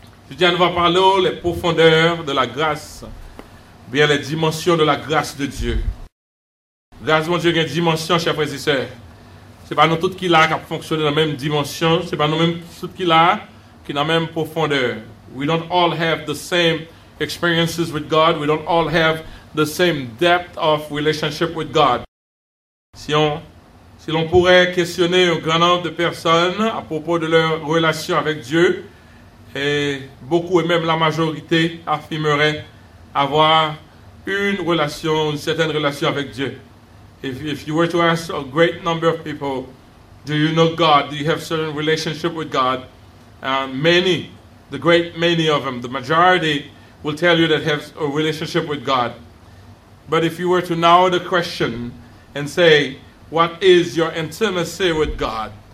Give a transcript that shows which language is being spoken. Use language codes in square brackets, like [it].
[fr] Je dis à nous va parler les profondeurs de la grâce, bien les dimensions de la grâce de Dieu. Grâce, mon Dieu, il y a une dimension, chers frères et sœurs. Ce n'est pas nous tous qui là qui fonctionnons dans la même dimension. Ce n'est pas nous même tous qui là qui dans la même profondeur. [en] We don't all have the same experiences with God. We don't all have the same depth of relationship with God. [fr] Si l'on pourrait questionner un grand nombre de personnes à propos de leur relation avec Dieu, et beaucoup et même la majorité affirmeraient avoir une relation, une certaine relation avec Dieu. [en] If you were to ask a great number of people, do you know God? Do you have a certain relationship with God? Many, the great many of them, the majority will tell you that have a relationship with God. But if you were to narrow the question and say, what is your intimacy with God?